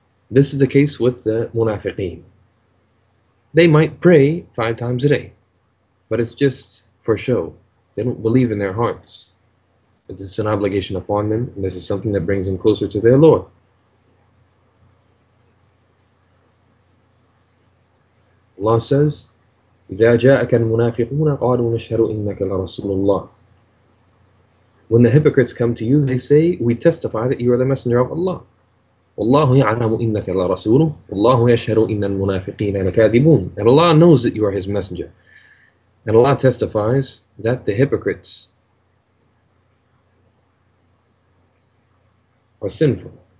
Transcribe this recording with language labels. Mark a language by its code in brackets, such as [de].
[en] This is the case with the munafiqeen. They might pray five times a day, but it's just for show. They don't believe in their hearts that this is an obligation upon them, and this is something that brings them closer to their Lord. Allah says, [ar] إِذَا جَاءَكَ الْمُنَافِقُونَ قَالُوا نَشْهَدُ إِنَّكَ لَرَسُولُ اللَّهِ. [en] When the hypocrites come to you, they say, we testify that you are the messenger of Allah. [ar] وَاللَّهُ يَعْلَمُ إِنَّكَ لَرَسُولُهُ وَاللَّهُ يَشْهَدُ إِنَّ الْمُنَافِقِينَ لَكَاذِبُونَ. [en] And Allah knows that you are His messenger. And Allah testifies that the hypocrites are sinful.